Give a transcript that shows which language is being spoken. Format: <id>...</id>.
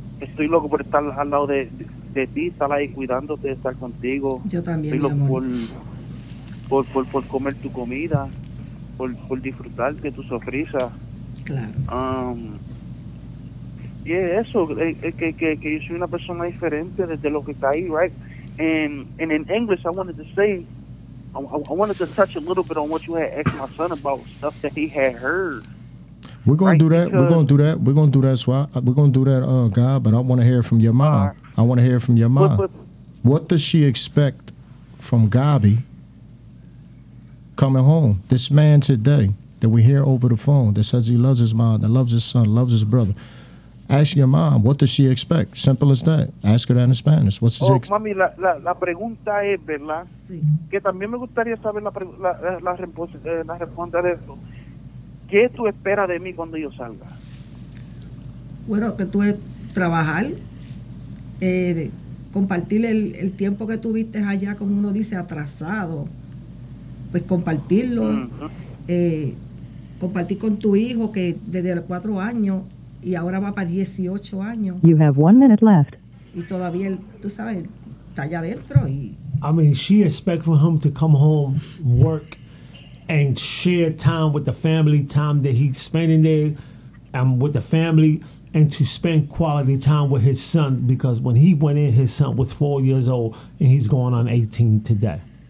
<es>Estoy loco por estar al lado de ti, estar ahí cuidándote, estar contigo. Yo también, estoy loco, mi amor. Por comer tu comida, por disfrutar de tu sonrisa. Claro. Y es eso, que yo soy una persona diferente desde lo que está ahí, right?</es> <en>And in English, I wanted to touch a little bit on what you had asked my son about stuff that he had heard. We're gonna do that. So God, but I want to hear from your mom. I want to hear from your mom. What does she expect from Gabi coming home? This man today that we hear over the phone that says he loves his mom, that loves his son, loves his brother. Ask your mom, what does she expect? Simple as that. Ask her that in Spanish. What's his expectation?</en> <es>Mami, la pregunta es, ¿verdad? Sí. Que también me gustaría saber la respuesta de eso. ¿Qué tú esperas de mí cuando yo salga? Bueno, que tú trabajar, compartir el tiempo que tuviste allá, como uno dice, atrasado, pues compartirlo, uh-huh. Compartir con tu hijo que desde los 4 años y ahora va para 18 años.</es> <en>You have 1 minute left.</en> <es>Y todavía, tú sabes, está allá adentro. Y</es> <en>I mean, she expects for him to come home, work, and share time with the family, time that he's spending there and with the family, and to spend quality time with his son, because when he went in, his son was 4 years old and he's going on 18 today.</en>